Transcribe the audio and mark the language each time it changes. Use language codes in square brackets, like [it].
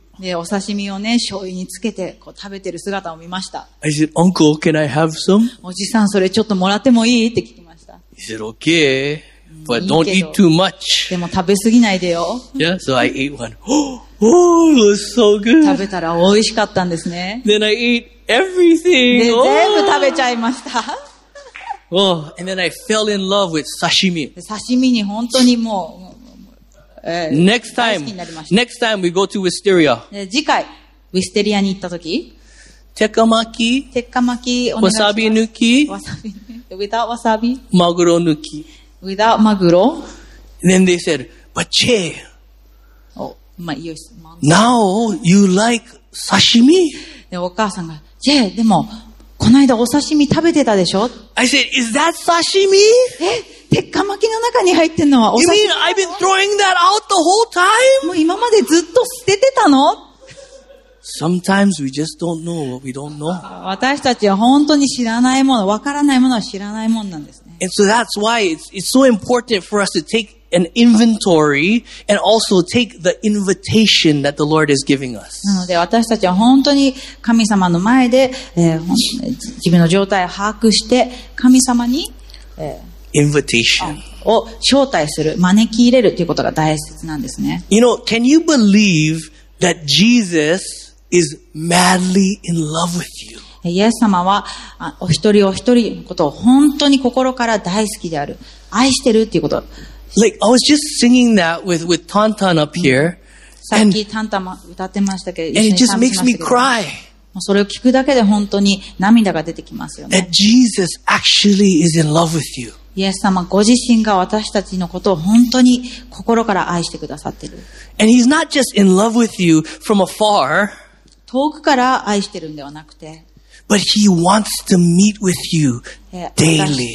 [ja] で、お刺身をね、醤油につけて、こう食べてる姿を見ました。 [en] I said, Uncle, can I have some? [ja] おじさん、それちょっともらってもいい? って聞きました。 [en] He said, Okay, but don't eat too much. [ja] でも食べ過ぎないでよ。 [en] Yeah, so I ate one. Oh, it was so good. [ja] 食べたら美味しかったんですね。 [en] Then I ate everything. [ja] で、全部食べちゃいました。 [en] Oh, and then I fell in love with sashimi. [ja] 刺身に本当にもう、 [en] Next time we go to Wisteria. [ja] 次回、ウィステリアに行ったとき。テッカマキ、わさび抜き。 [en] Without wasabi. [ja] マグロ抜き。 [en] Without マグロ。 And then they said, but che. Oh, my ears. Now you like sashimi? [ja] で、お母さんが、che, でも、この間お刺身食べてたでしょ? [en] I said, is that sashimi? [ja] え? 鉄火巻きの中に入ってるのはお刺身なの? [en] You mean I've been throwing that out the whole time? [ja] もう今までずっと捨ててたの? [en] Sometimes we just don't know what we don't know. [ja] 私たちは本当に知らないもの、わからないものは知らないものなんですね。 [en] And so that's why it's so important for us to take an inventory and also take the invitation that the Lord is giving us. [ja] なので私たちは本当に神様の前で、自分の状態を把握して神様に、 [en] invitation [ja] を招待する、招き入れるということが大切なんですね。 [en] You know, can you believe that Jesus is madly in love with you? [ja] イエス様はお一人お一人のことを本当に心から大好きである、愛してるということ。 [en] Like I was just singing that with Tantan up here. [ja] さっきタンタンも歌ってましたけど、 [en] and it just makes me cry. [ja] それを聞くだけで本当に涙が出てきますよね。 [en] That Jesus actually is in love with you. [ja] イエス様ご自身が私たちのことを本当に心から愛してくださってる。 [en] And he's not just in love with you from afar. [ja] 遠くから愛してるんではなくて。 [en] But he wants to meet with you daily.